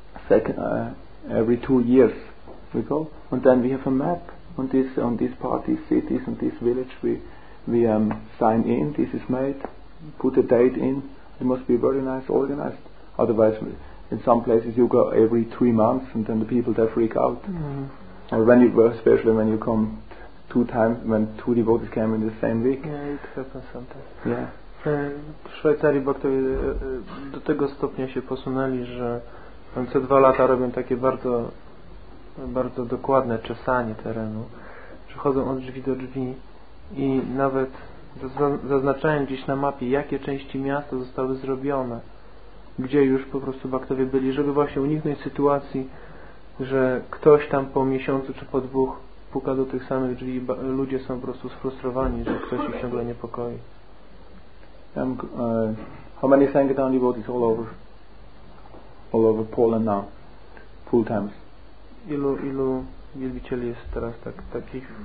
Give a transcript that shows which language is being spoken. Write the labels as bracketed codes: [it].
[en] 2 years we go, and then we have a map on this part, these cities and this village we sign in, this is made, put a date in. It must be very nice organized. Otherwise, in some places you go every 3 months, and then the people there freak out. Mm-hmm. Or when you, especially when you come two devotees came in the same week. Yeah, it happens sometimes. Yeah. [pl] W Szwajcarii baktowie do tego stopnia się posunęli, że co 2 lata robią takie bardzo bardzo dokładne czesanie terenu. Przychodzą od drzwi do drzwi i nawet zaznaczają gdzieś na mapie, jakie części miasta zostały zrobione, gdzie już po prostu baktowie byli, żeby właśnie uniknąć sytuacji, że ktoś tam po miesiącu czy po dwóch puka do tych samych drzwi i ludzie są po prostu sfrustrowani, że ktoś ich ciągle niepokoi. [en] How many Sangatan devotees all over Poland now, full times? [pl] Ilu wielbicieli jest teraz takich?